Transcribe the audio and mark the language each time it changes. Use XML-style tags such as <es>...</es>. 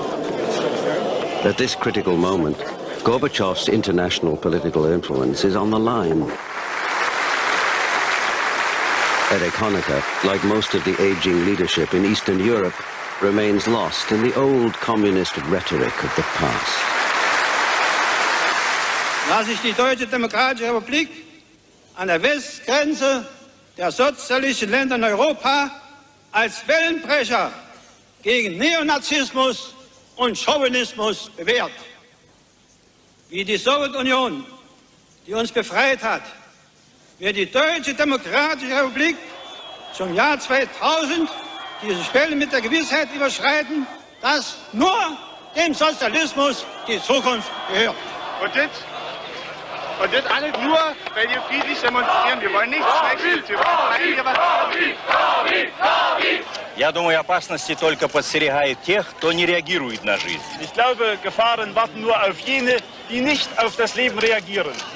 <en>At this critical moment, Gorbachev's international political influence is on the line. Erich Honecker, like most of the aging leadership in Eastern Europe, remains lost in the old communist rhetoric of the past.</en> <de>Lass ich die Deutsche Demokratische Republik an der Westgrenze der sozialistischen Länder in Europa als Wellenbrecher gegen Neonazismus und Chauvinismus bewährt. Wie die Sowjetunion, die uns befreit hat, wird die Deutsche Demokratische Republik zum Jahr 2000 diese Schwelle mit der Gewissheit überschreiten, dass nur dem Sozialismus die Zukunft gehört. Und das alles nur, weil wir friedlich demonstrieren. Wir wollen nichts Schreckliches. Wir wollen hier was</de> <ru>Я думаю, опасности только подстерегают тех, кто не реагирует на жизнь.</ru> <de>Ich glaube, Gefahren warten nur auf jene, die nicht auf das Leben reagieren.</de>